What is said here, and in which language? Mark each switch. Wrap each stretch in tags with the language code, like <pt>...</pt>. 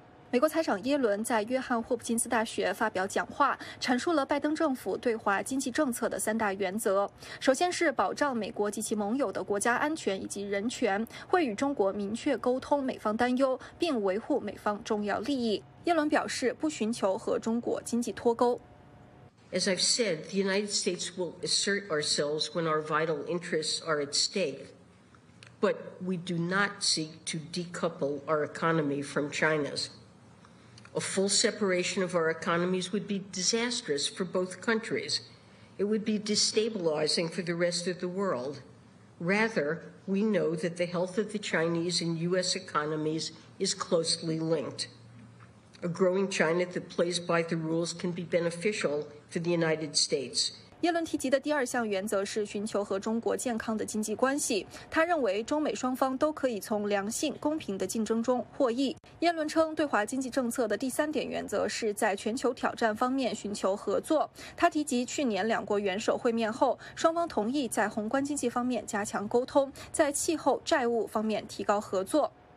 <zh>美国财长耶伦在约翰霍普金斯大学发表讲话，阐述了拜登政府对华经济政策的三大原则。首先是保障美国及其盟友的国家安全以及人权，会与中国明确沟通美方担忧，并维护美方重要利益。耶伦表示不寻求和中国经济脱钩。</zh> <en>As I've said, the United States will assert ourselves when our vital interests are at stake, but we do not seek to decouple our economy from China's. A full separation of our economies would be disastrous for both countries. It would be destabilizing for the rest of the world. Rather, we know that the health of the Chinese and U.S. economies is closely linked. A growing China that plays by the rules can be beneficial. For the United States.</en> <zh>耶伦提及的第二项原则是寻求和中国健康的经济关系。他认为中美双方都可以从良性公平的竞争中获益。耶伦称对华经济政策的第三点原则是在全球挑战方面寻求合作。他提及去年两国元首会面后，双方同意在宏观经济方面加强沟通，在气候债务方面提高合作。</zh>